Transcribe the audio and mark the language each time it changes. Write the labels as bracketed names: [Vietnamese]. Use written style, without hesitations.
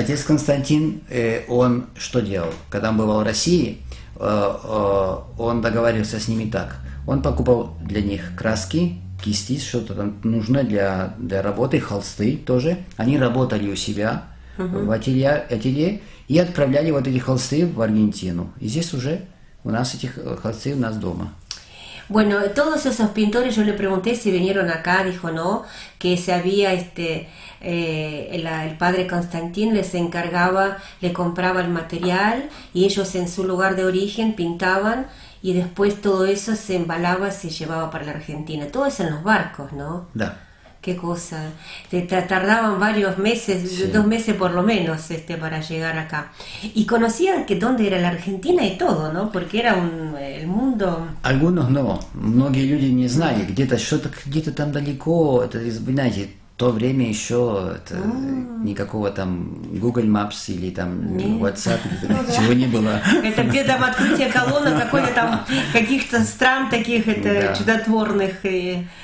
[Russian] отец Константин, он что делал? Когда он бывал в России, он договаривался с ними так. Он покупал для них краски, кисти, что-то там нужно для работы, холсты тоже. Они работали у себя в ателье и отправляли вот эти холсты в Аргентину. И здесь уже у нас эти холсты у нас дома. [Spanish] Bueno, todos esos pintores, yo le pregunté si vinieron acá, dijo no, que se había, el padre Constantín les encargaba, le compraba el material y ellos en su lugar de origen pintaban y después todo eso se embalaba, se llevaba para la Argentina. Todo eso en los barcos, ¿no? [Russian] Da. [Spanish] Qué cosa. Tardaban varios meses, sí. 2 meses por lo menos, para llegar acá. Y conocían que dónde era la Argentina y todo, ¿no? Porque era el mundo. Algunos no. [Russian] Многие люди не знали, где-то там далеко. Это, знаете, то время еще это, никакого там Google Maps или там WhatsApp, ничего не было. Это где там открытие колонок какой-то там каких-то стран таких чудотворных и.